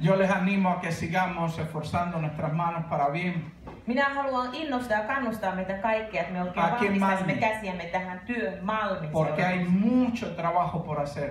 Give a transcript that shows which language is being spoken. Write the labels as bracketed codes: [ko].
[es] Yo les animo a que sigamos esforzando nuestras manos para bien. [fi] Minä haluan innostaa ja kannustaa meitä kaikkia, että me oikein voimistaisimme käsiämme tähän työn malmiin. [es] Porque hay mucho trabajo por hacer.